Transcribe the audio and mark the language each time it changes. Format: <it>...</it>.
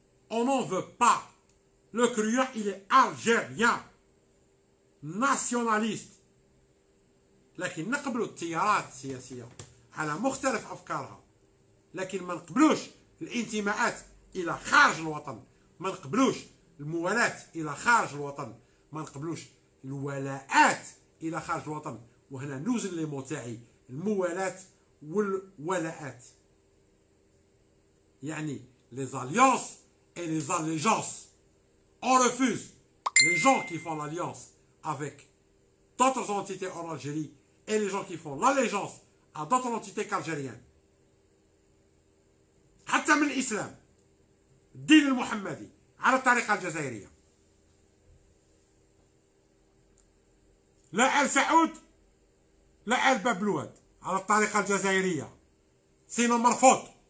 <fr>On n'en veut pas. Le curieux, il est algérien.</fr> <ar>ناسيوناليست، لكن نقبلوا التيارات السياسية على مختلف أفكارها، لكن ما نقبلوش الانتماءات إلى خارج الوطن، ما نقبلوش الموالاة إلى خارج الوطن، ما نقبلوش الولاءات إلى خارج الوطن. وهنا نوزن لي متاعي الموالاة والولاءات، يعني</ar> <fr>les alliances et les allégeances. On refuse les gens qui font l'alliance avec d'autres entités en Algérie et les gens qui font l'allégeance à d'autres entités qu'algériennes.</fr> <ar>حتى من الإسلام الدين المحمدي على الطريقة الجزائرية. لا آل سعود لا آل بابلواد على الطريقة الجزائرية. سينو مرفوض.</ar>